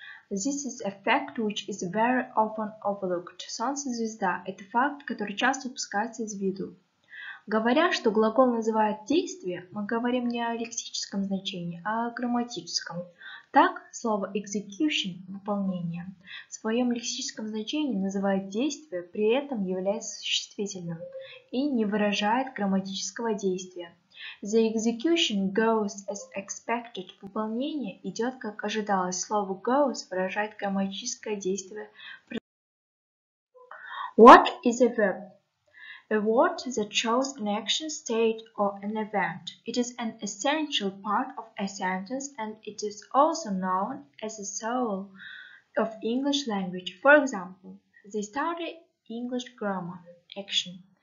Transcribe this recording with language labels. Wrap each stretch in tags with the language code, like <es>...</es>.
<en>This is a fact which is very often overlooked.</en> <ru>Солнце – звезда. Это факт, который часто упускается из виду. Говоря, что глагол называет действие, мы говорим не о лексическом значении, а о грамматическом. Так, слово execution – выполнение. В своем лексическом значении называет действие, при этом является существительным и не выражает грамматического действия.</ru> <en>The execution goes as expected.</en> <ru>Выполнение идет, как ожидалось. Слово goes выражает грамматическое действие.</ru> <en>What is a verb? A word that shows an action, state or an event. It is an essential part of a sentence and it is also known as the soul of English language. For example, they study English grammar. Action.</en>